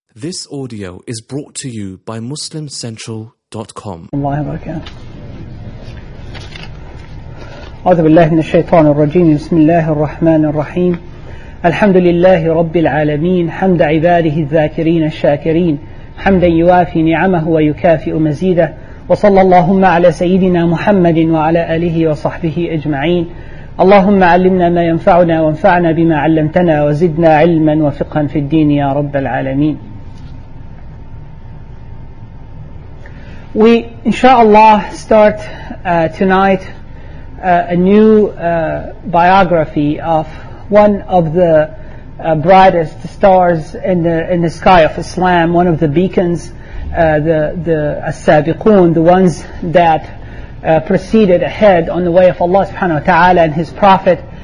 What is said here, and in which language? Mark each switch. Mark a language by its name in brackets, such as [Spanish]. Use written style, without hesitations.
[English] This audio is brought to you by MuslimCentral.com. [Arabic] أعوذ بالله من الشيطان الرجيم. بسم الله الرحمن الرحيم. الحمد لله رب العالمين. حمد عباده الذاكرين الشاكرين. حمدا يوافي نعمه ويكافئ مزيده. وصلى اللهم على سيدنا محمد وعلى آله وصحبه أجمعين. اللهم علمنا ما ينفعنا وانفعنا بما علمتنا وزدنا علما وفقها في الدين يا رب العالمين. [English] We inshallah start tonight a new biography of one of the brightest stars in the sky of Islam, one of the beacons, the as-sabiqun, the ones that proceeded ahead on the way of Allah subhanahu wa ta'ala and his prophet